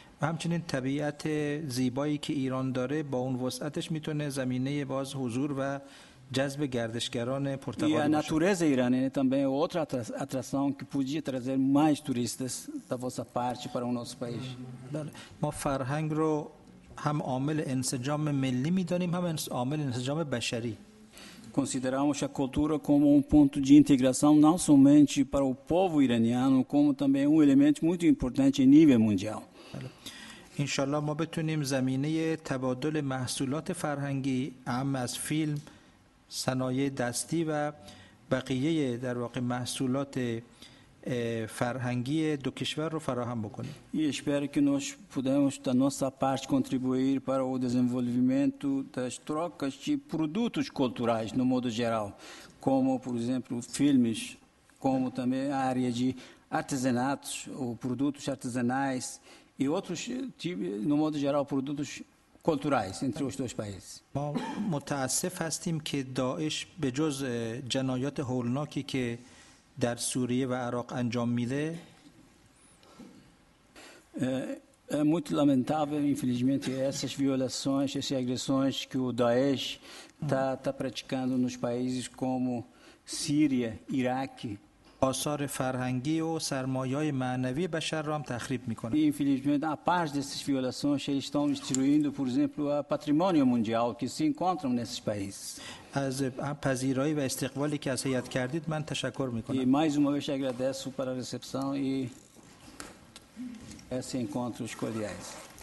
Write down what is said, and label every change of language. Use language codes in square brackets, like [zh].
[fa] همچنین طبیعت زیبایی که ایران داره با اون وسعتش میتونه زمینه باز حضور و جذب گردشگران پرتغال باشه. [pt] E a natureza iraniana também é outra atração que podia trazer mais turistas da vossa parte para o nosso país. [fa] ما فرهنگ رو هم عامل انسجام ملی میدانیم هم عامل انسجام بشری. [pt] Consideramos a cultura como um ponto de integração não somente para o povo iraniano, como também um elemento muito importante em nível mundial. [fa] انشاءالله ما بتونیم زمینه تبادل محصولات فرهنگی اهم از فیلم، صنایع دستی و بقیه در واقع محصولات فرهنگی دو کشور رو فراهم بکنیم. [pt] Espero que nós pudemos da nossa parte contribuir para o desenvolvimento das trocas de produtos culturais no modo geral, como por exemplo filmes, como também a área de artesanatos ou produtos artesanais e outros no modo geral produtos culturais entre os dois países. [fa] ما متاسف هستیم که داعش به جز جنایات هولناکی که در سوریه و عراق انجام میده [pt] é muito lamentável, infelizmente, essas violações, essas agressões que o Daesh tá praticando nos países como Síria, Iraque. [fa] آثار فرهنگی و سرمایه‌های معنوی بشر را هم تخریب می‌کنه. [pt] Infelizmente, a parte dessas violações eles estão destruindo, por exemplo, o patrimônio mundial que se encontra nesses países. [fa] از پذیرایی و استقبالی که از هیئت کردید من تشکر می‌کنم. [pt] E mais uma vez agradeço para a recepção e esses encontros cordiais.